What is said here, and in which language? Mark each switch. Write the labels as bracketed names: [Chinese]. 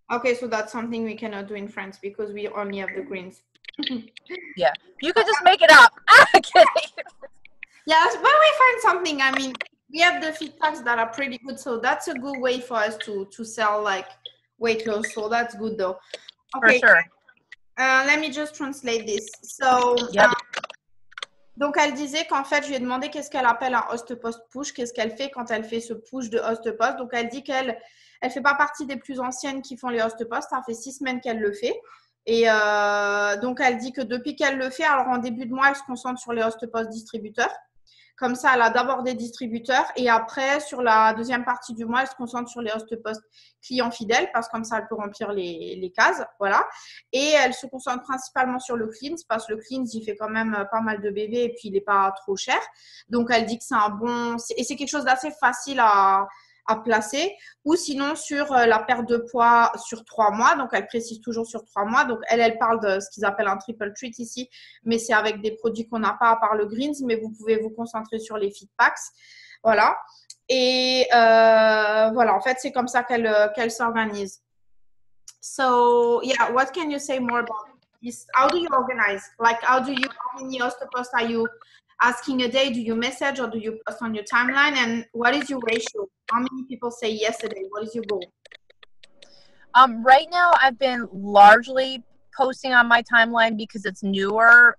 [English] Okay, so that's something we cannot do in France because we only have the greens. Yeah, you could just make it up. Yes, when we find something, I mean, we have the feed packs that are pretty good, so that's a good way for us to sell like weight loss. So that's good though. Okay. For sure. Let me just translate this. [French] So, donc elle disait qu'en fait, je lui ai demandé qu'est-ce qu'elle appelle un host post push, qu'est-ce qu'elle fait quand elle fait ce push de host post. Donc elle dit qu'elle fait pas partie des plus anciennes qui font les host post. Ça fait 6 semaines qu'elle le fait. Et donc elle dit que depuis qu'elle le fait, alors en début de mois, elle se concentre sur les host post distributeurs. Comme ça, elle a d'abord des distributeurs et après, sur la deuxième partie du mois, elle se concentre sur les host post clients fidèles parce que comme ça, elle peut remplir les cases. Voilà. Et elle se concentre principalement sur le cleanse parce que le cleanse, il fait quand même pas mal de BV et puis il n'est pas trop cher. Donc, elle dit que c'est un bon… Et c'est quelque chose d'assez facile à placer ou sinon sur la perte de poids sur 3 mois. Donc, elle précise toujours sur 3 mois. Donc, elle parle de ce qu'ils appellent un triple treat ici, mais c'est avec des produits qu'on n'a pas à part le greens, mais vous pouvez vous concentrer sur les feedbacks. Voilà. Et voilà, en fait, c'est comme ça qu'elle s'organise. [English] So, yeah, what can you say more about this? How do you organize? Like, how many host posts are you asking a day? Do you message or do you post on your timeline? And what is your ratio? How many people say yes a day? What is your goal? Right now, I've been largely posting on my timeline because it's newer.